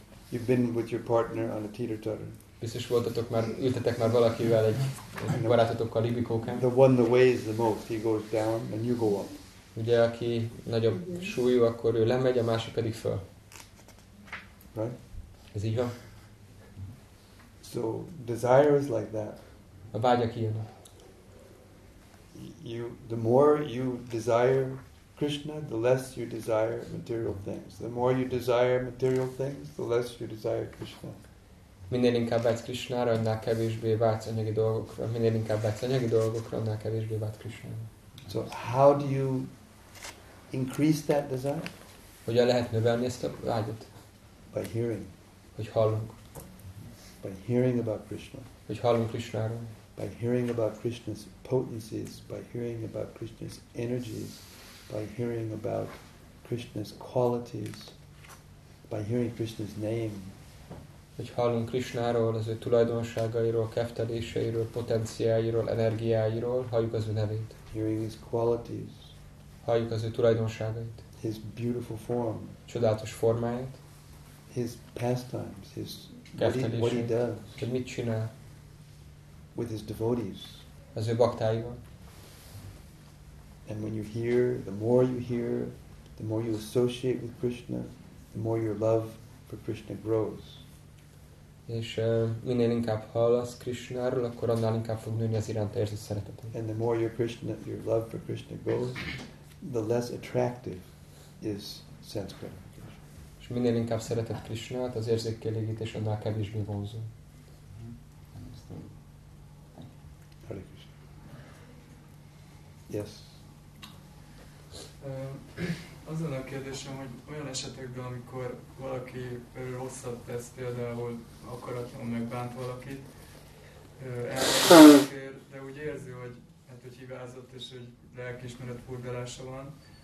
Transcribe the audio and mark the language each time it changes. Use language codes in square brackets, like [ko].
[en] You've been with your partner on a teeter totter. [hu] Biztos voltatok már, ültetek már valakivel egy barátotokkal libikókán. [en] The one that weighs the most, he goes down and you go up. [hu] Ugye, aki nagyobb súlyú, akkor ő lemegy, a másik pedig föl. [en] Right? [hu] Ez így van? [en] So, desire is like that. [hu] A vágyak ilyenek. [en] You, the more you desire Krishna, the less you desire material things. The more you desire material things, the less you desire Krishna. [hu] Minél inkább vágysz Krishnára, annál kevésbé vágysz anyagi dolgokra. Minél inkább vágysz anyagi dolgokra, annál kevésbé vágysz Krishnára. [en] So, how do you increase that desire? [hu] Hogyan lehet növelni ezt a vágyat? [en] By hearing. [hu] Hogy hallunk. [en] By hearing about Krishna. [hu] Hogy hallunk Krishnáról. [en] By hearing about Krishna's potencies, by hearing about Krishna's energies, by hearing about Krishna's qualities, by hearing Krishna's name. [hu] hogy hallunk Krisnáról, az ő tulajdonságairól, kefteléseiről, potenciáiról, energiáiról, halljuk az ő nevét. [en] Hearing his qualities. [hu] Halljuk az ő tulajdonságait. [en] His beautiful form. [hu] Csodálatos formáját. [en] His pastimes, his [hu] kefteléseit. [en] What he [hu] mit csinál? [en] With his devotees. [hu] Az ő baktáival. [en] And when you hear, the more you hear, the more you associate with Krishna, the more your love for Krishna grows. [hu] És minél inkább hallasz Krishnáról, akkor annál inkább fog nőni az iránta érzett szeretetet. [en] And the more your Krishna, your love for Krishna grows, the less attractive is sense gratification. [hu] És minél inkább szereted Krishnát, az érzékkielégítés annál kevésbé vonzó. [en] Hare Krishna. Yes. [hu] Azon a kérdésem, hogy olyan esetekben, amikor valaki rosszat tesz, például akaratlanul megbánt valakit, elvesztésért, de úgy érzi, hogy, hát, hogy hibázott és hogy lelkiismeret furdalása van.